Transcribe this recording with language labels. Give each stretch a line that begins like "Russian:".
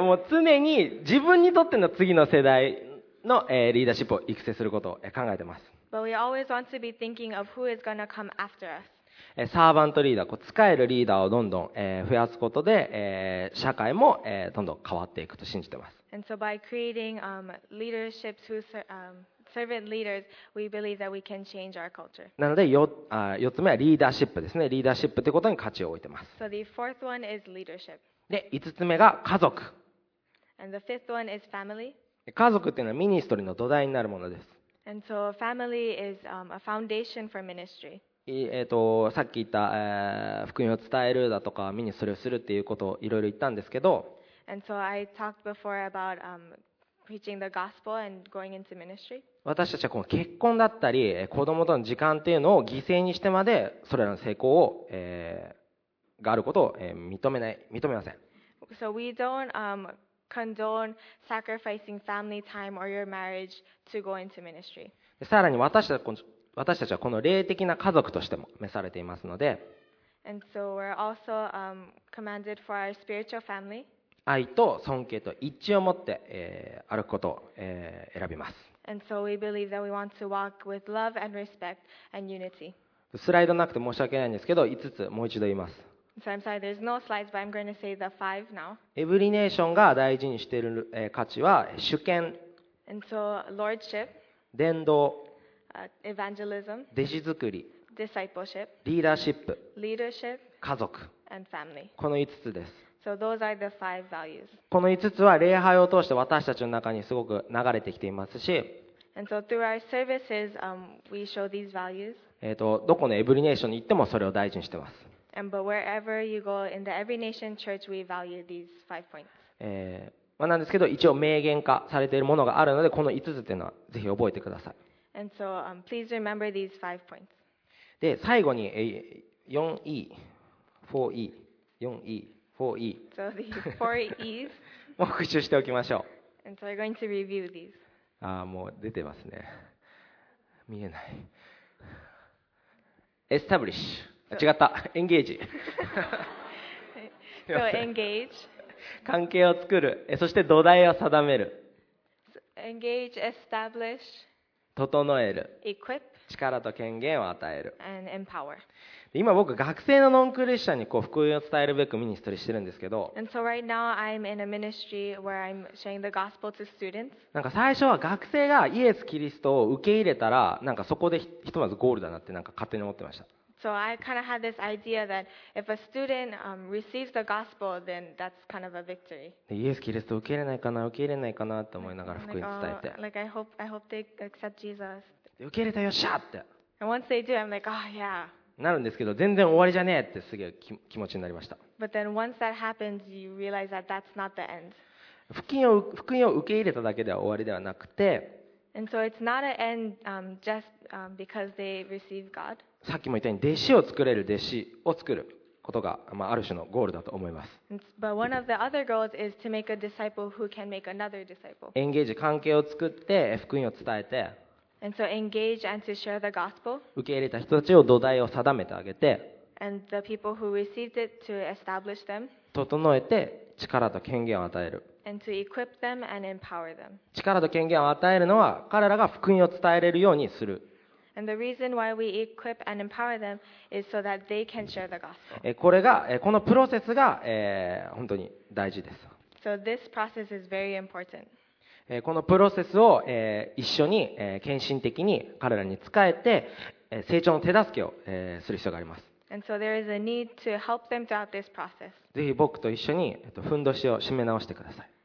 Japanese: 常に自分にとっての次の世代の、リーダーシップを育成することを考えてます。
English: But we always want to be thinking of who is going to come after us.
Japanese: サーバントリーダー、こう使えるリーダーをどんどん、増やすことで、社会も、どんどん変わっていくと信じてます。
English: And so by creating, leaderships who, servant leaders, we believe that we can change our culture.
Japanese: なので4つ目はリーダーシップですね。リーダーシップということに価値を置いてます。
English: So the fourth one is leadership.
Japanese: で、5つ目が家族。
English: And the fifth one is family.
Japanese: 家族っていうのはミニストリーの土台になるものです。
English: And so family is, a foundation for ministry.
Japanese: さっき言った、福音を伝えるだとかミニストリーをするっていうことをいろいろ言ったんですけど、
English: And so I talked before about, preaching the gospel and going into ministry.
Japanese: 私たちはこの結婚だったり子供との時間っていうのを犠牲にしてまでそれらの成功を、があることを、認めません。
English: So we don't, condone sacrificing family time or your marriage to go into ministry.
Japanese: さらに私たちはこの霊的な家族としても召されていますので。
English: And so we're also, commanded for our spiritual family.
Japanese: 愛と尊敬と一致を持って、歩くことを、選びます。
English: And so we believe that we want to walk with love and respect and unity.
Japanese: スライドなくて申し訳ないんですけど、5つもう一度言います。
English: So I'm sorry, there's no slides, but I'm going to say the five now.
Japanese: エブリネーションが大事にしている、価値は主権。
English: And so lordship.
Japanese: 伝道。
English: Evangelism.
Japanese: 弟子作り。
English: discipleship、
Japanese: リーダーシップ、
English: leadership、
Japanese: 家族、
English: and family。
Japanese: この5つです。
English: So those are the five values。
Japanese: この5つは礼拝を通して私たちの中にすごく流れてきていますし、
English: and so through our services, we show these values。
Japanese: どこのエブリネーションに行ってもそれを大事にしています。
English: And but wherever you go in the Every Nation Church, we value these five points。
Japanese: まあ、なんですけど一応名言化されているものがあるのでこの5つというのはぜひ覚えてください。
English: And so, please remember these five points.
Japanese: で最後に 4E
English: so these four E's.
Japanese: 復習しておきましょう。
English: And so we're going to review these.
Japanese: あ、もう出てますね、見えない。
English: Establish、 so、
Japanese: 違った、
English: Engage So engage、
Japanese: 関係を作る、そして土台を定める、
English: engage, establish,
Japanese: 整える、
English: equip,
Japanese: 力と権限を与える、
English: and empower。
Japanese: 今僕学生のノンクリスチャンにこう福音を伝えるべくミニストリーしてるんですけど、
English: and so right now I'm in a ministry where I'm sharing the gospel to students。
Japanese: なんか最初は学生がイエス・キリストを受け入れたらなんかそこで ひとまずゴールだなってなんか勝手に思ってました。
English: So I kind of had this idea that if a student receives the gospel, then that's kind of a victory.
Japanese: イエス・キリスト受け入れないかな、受け入れないかなって思いながら福音伝えて。
English: Like I hope they accept Jesus.
Japanese: 受け入れたよ、しゃーって。
English: And once they do, I'm like, oh yeah.
Japanese: なるんですけど、全然終わりじゃねえってすげえ気持ちになりました。
English: But then once that happens, you realize that that's not the end.
Japanese: 福音を受け入れただけでは終わりではなくて、
English: And so it's not an end just because they receive God.
Japanese: さっきも言ったように弟子を作れる弟子を作ることが、まあ、ある種のゴールだと思います。エンゲージ関係を作って福音を伝えて、
English: and so engage and to share the gospel.
Japanese: 受け入れた人たちを土台を定めてあげて、
English: and the people who received it to establish them.
Japanese: 整えて力と権限を与える、
English: and to equip them and empower them.
Japanese: 力と権限を与えるのは彼らが福音を伝えれるようにする。
English: And the reason why we equip and empower them is so that they can share the gospel.
Japanese: これが、このプロセスが、本当に大事です。
English: So this process is very important.
Japanese: このプロセスを、一緒に、献身的に彼らに使えて、成長の手助けを、する必要があります。
English: And so there is a need to help them throughout this process.
Japanese: ぜひ僕と一緒に、ふんどしを締め直してください。